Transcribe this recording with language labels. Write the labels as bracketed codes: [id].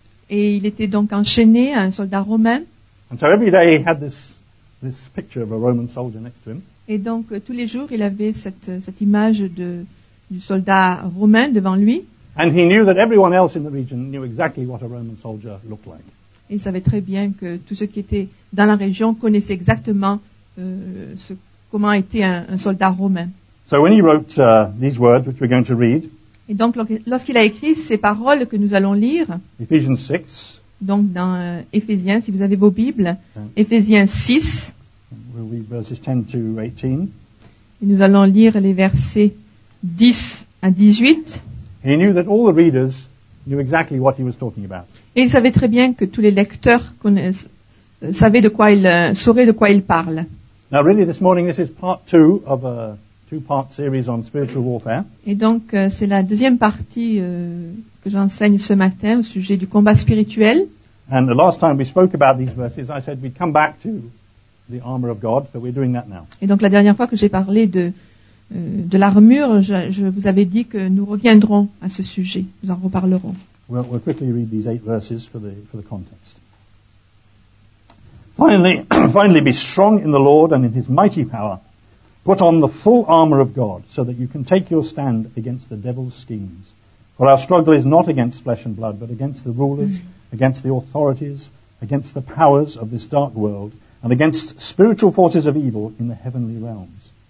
[fr] Et il était donc enchaîné à un soldat romain. [en] And so every day he had this picture of a Roman soldier next to him. [fr] Et donc tous les jours il avait cette image du soldat romain devant lui. [en] And he knew that everyone else in the region knew exactly what a Roman soldier looked like. [fr] Il savait très bien que tous ceux qui étaient dans la région connaissaient exactement comment était un soldat romain. [en] So when he wrote these words which we're going to read. [fr] Et donc lorsqu'il a écrit ces paroles que nous allons lire. [en] Ephesians 6. [fr] Donc dans Éphésiens, si vous avez vos Bibles, Éphésiens 6. [en] We'll read verses 10 to 18. [fr] Et nous allons lire les versets 10 à 18. [en] He knew that all the readers knew exactly what he was talking about. [fr] Et il savait très bien que tous les lecteurs sauraient de quoi il parle. [en] Now really this morning this is part 2 of a 2-part series on spiritual warfare. [fr] Et donc c'est la deuxième partie que j'enseigne ce matin au sujet du combat spirituel. [en] And the last time we spoke about these verses I said we'd come back to the armor of God, so we're doing that now. [fr] Et donc la dernière fois que j'ai parlé de l'armure, je vous avais dit que nous reviendrons à ce sujet, nous en reparlerons. [en] We'll quickly read these 8 verses for the context. Finally, be strong in the Lord and in his mighty power. Put on the full armor of God so that you can take your stand against the devil's schemes. For our struggle is not against flesh and blood, but against the rulers, against the authorities, against the powers of this dark world, and against spiritual forces of evil in the heavenly realms.